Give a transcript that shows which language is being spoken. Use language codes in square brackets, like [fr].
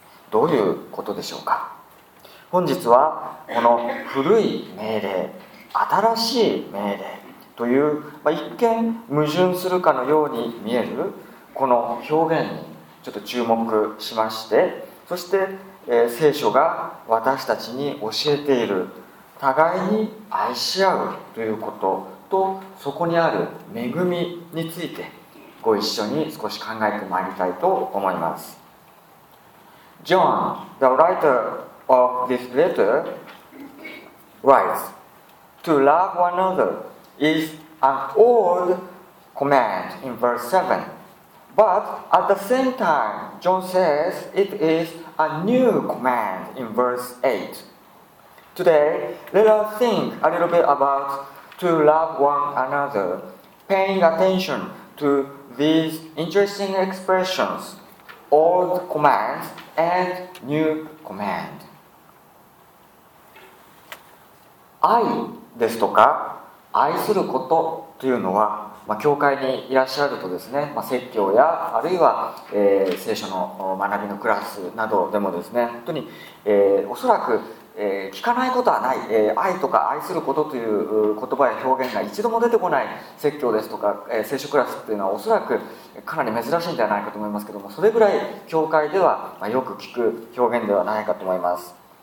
[ja] どういうことでしょうか。本日はこの古い命令、新しい命令という、一見矛盾するかのように見えるこの表現にちょっと注目しまして、そして、聖書が私たちに教えている互いに愛し合うということと、そこにある恵みについてご一緒に少し考えてまいりたいと思います。 [en] John, the writer of this letter, writes, "To love one another is an old command in verse 7. But at the same time, John says it is a new command in verse 8. Today, let us think a little bit about to love one another, paying attention to these interesting expressions, old commands and new command. [ja] 愛ですとか愛することというのは、まあ、教会にいらっしゃるとですね、まあ、説教やあるいは、聖書の学びのクラスなどでもですね、本当に、おそらく、聞かないことはない、愛とか愛することという言葉や表現が一度も出てこない説教ですとか、聖書クラスというのはおそらくかなり珍しいんじゃないかと思いますけども、それぐらい教会では、まあ、よく聞く表現ではないかと思います。